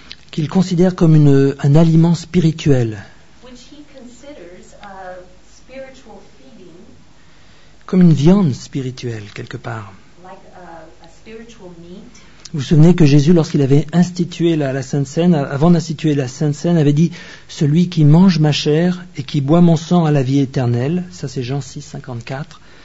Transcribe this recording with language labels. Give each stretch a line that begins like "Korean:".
French: Qu'il considère comme un aliment spirituel.
English: Which he considers a spiritual feeding,
French: comme une viande spirituelle, quelque part.
English: Like a spiritual meat.
French: Vous vous souvenez que Jésus, lorsqu'il avait institué la Sainte Cène, avant d'instituer la Sainte Cène, avait dit « Celui qui mange ma chair et qui boit mon sang a la vie éternelle. » Ça, c'est Jean 6, 54.